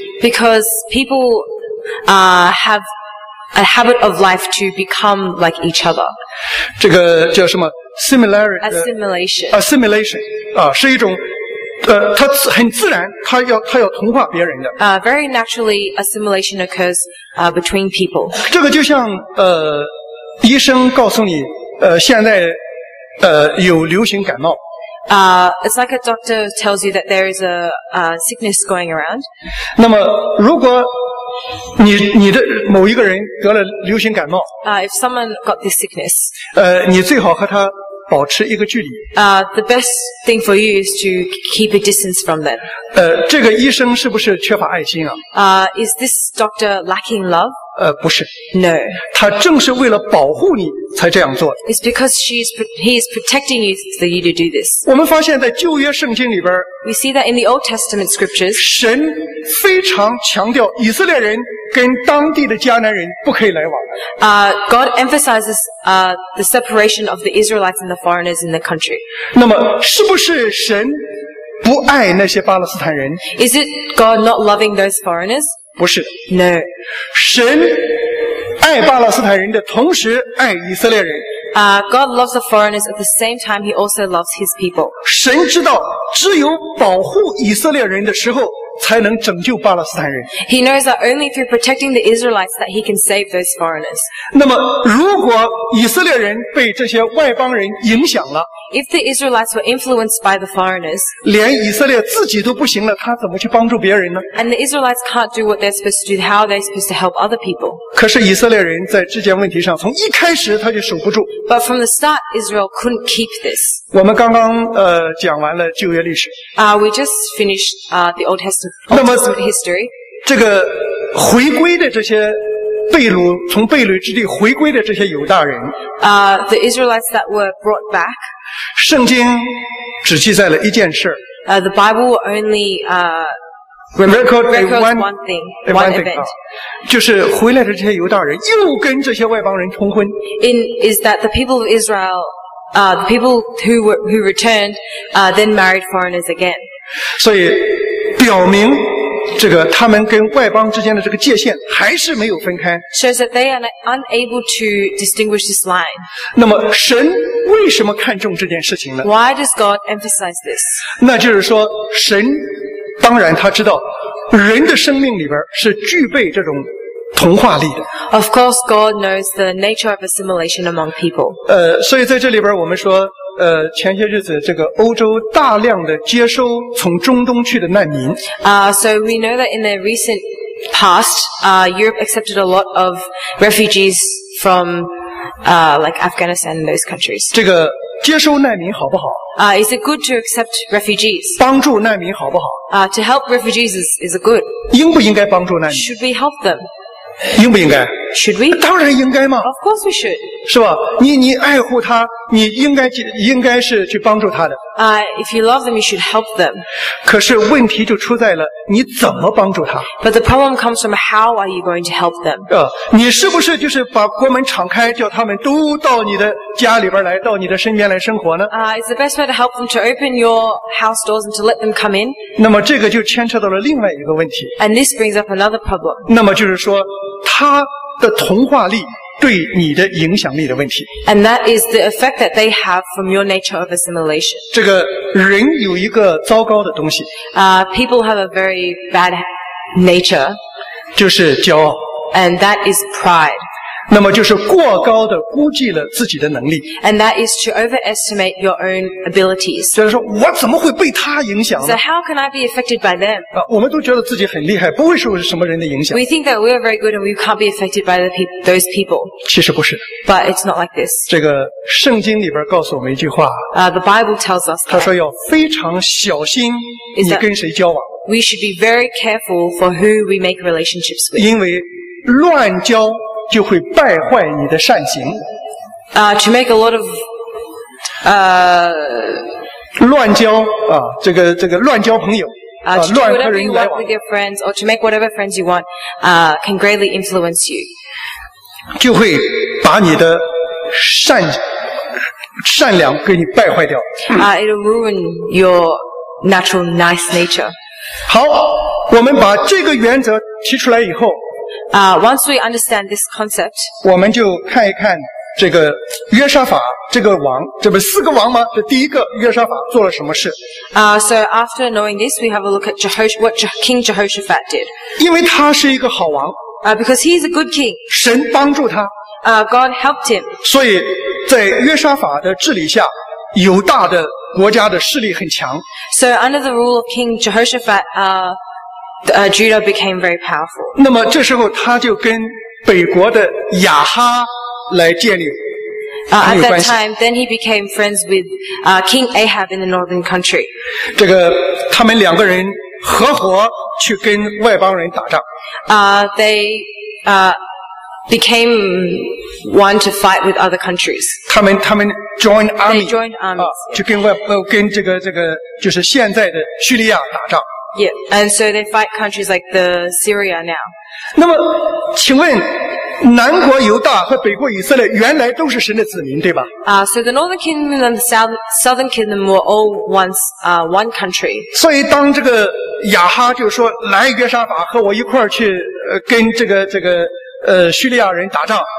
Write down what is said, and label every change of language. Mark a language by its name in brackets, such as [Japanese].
[English] Because people, have a habit of life to become like each other. [Chinese] 这个叫什么？ [English] Similarity. Assimilation. Assimilation. [Chinese] 是一种它很自然，它要同化别人的。 [English] Very naturally assimilation occurs, between people. [Chinese] 这个就像医生告诉你现在有流行感冒。 [English] It's like a doctor tells you that there is a sickness going around. [Chinese] 那么如果你的某一个人得了流行感冒。 [English] If someone got this sickness. [Chinese] 你最好和他保持一个距离。 [English] The best thing for you is to keep a distance from them. [Chinese] 这个医生是不是缺乏爱心啊？ [English] Is this doctor lacking love? [Chinese] 不是。 [English] No. [Chinese] 他正是为了保护你才这样做的。 [English] It's because he is protecting you for you to do this. [Chinese] 我们发现在旧约圣经里边， [English] We see that in the Old Testament scriptures, [Chinese] 神非常强调以色列人跟当地的迦南人不可以来往。 [English] God emphasizes, the separation of the Israelites and the foreigners in the country. [Chinese] 那么是不是神不爱那些巴勒斯坦人？ [English] Is it God not loving those foreigners? [Chinese] 不是。 [English] No. [Chinese] 神爱巴勒斯坦人的同时爱以色列人。 [English] God loves the foreigners at the same time he also loves his people. [Chinese] 神知道只有保护以色列人的时候才能拯救巴勒斯坦人。 [English] He knows that only through protecting the Israelites that he can save those foreigners. [Chinese] 那么如果以色列人被这些外邦人影响了， [English] If the Israelites were influenced by the foreigners, [Chinese] 连以色列自己都不行了，他怎么去帮助别人呢？ [English] And the Israelites can't do what they're supposed to do, how are they supposed to help other people? [Chinese] 可是以色列人在这件问题上从一开始他就守不住。 [English] But from the start, Israel couldn't keep this. [Chinese] 我们刚刚讲完了旧约历史。 [English] We just finished, the Old Testament. [Chinese] 那么这个回归的这些被掳，从被掳之地回归的这些犹大人， [English] the Israelites that were brought back, [Chinese] 圣经只记载了一件事。 [English] The Bible only, records one event. [Chinese] 就是回来的这些犹大人又跟这些外邦人通婚。 [English] Is that the people of Israel, the people who returned, then married foreigners again. [Chinese] 所以表明这个他们跟外邦之间的这个界限还是没有分开。 [English] Shows that they are unable to distinguish this line. [Chinese] 那么神为什么看重这件事情呢？ [English] Why does God emphasize this? [Chinese] 那就是说神当然他知道人的生命里边是具备这种同化力的。 [English] Of course God knows the nature of assimilation among people. [Chinese] 所以在这里边我们说前些日子这个欧洲大量的接收从中东去的难民。 [English] So we know that in the recent past, Europe accepted a lot of refugees from, like Afghanistan and those countries. [Chinese] 这个接收难民好不好？ [English] Is it good to accept refugees? [Chinese] 帮助难民好不好？ [English] To help refugees is good. [Chinese] 应不应该帮助难民？ [English] Should we help them? [Chinese] 应不应该？ [English] Should we? [Chinese] 当然应该嘛。 [English] Of course we should. [Chinese] 是吧？你爱护他，你应该是去帮助他的。 [English] If you love them, you should help them. [Chinese] 可是问题就出在了，你怎么帮助他？ [English] But the problem comes from how are you going to help them? [Chinese] 你是不是就是把国门敞开，叫他们都到你的家里边来，到你的身边来生活呢？ [English] Is the best way to help them to open your house doors and to let them come in? [Chinese] 那么这个就牵扯到了另外一个问题。 [English] And this brings up another problem. [Chinese] 那么就是说，他的同化力对你的影响力的问题。 [English] And that is the effect that they have from your nature of assimilation. [Chinese] 这个人有一个糟糕的东西。 [English] People have a very bad nature. [Chinese] 就是骄傲。 [English] And that is pride. [Chinese] 那么就是过高的估计了自己的能力。 [English] And that is to overestimate your own abilities. [Chinese] 就是说我怎么会被他影响呢？ [English] So how can I be affected by them? [Chinese] 我们都觉得自己很厉害，不会受什么人的影响。 [English] We think that we are very good and we can't be affected by those people. [Chinese] 其实不是。 [English] But it's not like this. [Chinese] 这个圣经里边告诉我们一句话。 [English] The Bible tells us that. [Chinese] 他说要非常小心你跟谁交往。 [English] We should be very careful for who we make relationships with. [Chinese] 因为乱交就会败坏你的善行。 [English] To make a lot of, [Chinese] 乱交啊，这个乱交朋友啊，乱和人来往。 [English] With your friends, or to make whatever friends you want, can greatly influence you. [Chinese] 就会把你的善良给你败坏掉。 [English] It'll ruin your natural nice nature. [Chinese] 好，我们把这个原则提出来以后。 [English] Once we understand this concept, [Chinese] 我们就看一看这个约沙法这个王，这不四个王吗？这第一个约沙法做了什么事？ [English] So after knowing this, we have a look at what King Jehoshaphat did. [Chinese] 因为他是一个好王。 [English] Because he is a good king. [Chinese] 神帮助他。 [English] God helped him. [Chinese] 所以在约沙法的治理下，犹大的国家的势力很强。 [English] So under the rule of King Jehoshaphat, Judah became very powerful. [Chinese] 那么这时候他就跟北国的亚哈来建立 [English] At that time, then he became friends with King Ahab in the northern country. [Chinese] 这个他们两个人合伙去跟外邦人打仗。 [English] They became one to fight with other countries. [Chinese] 他们 [English] joined army. They joined armies. [Chinese] 去跟外跟这个就是现在的叙利亚打仗。 [English] Yeah, and so they fight countries like the Syria now. [Chinese] 那么请问南国犹大和北国以色列原来都是神的子民，对吧？ [English] So the northern kingdom and the southern kingdom were all once one country. [Chinese] 所以当这个亚哈就说来约沙法和我一块去跟这个叙利亚人打仗。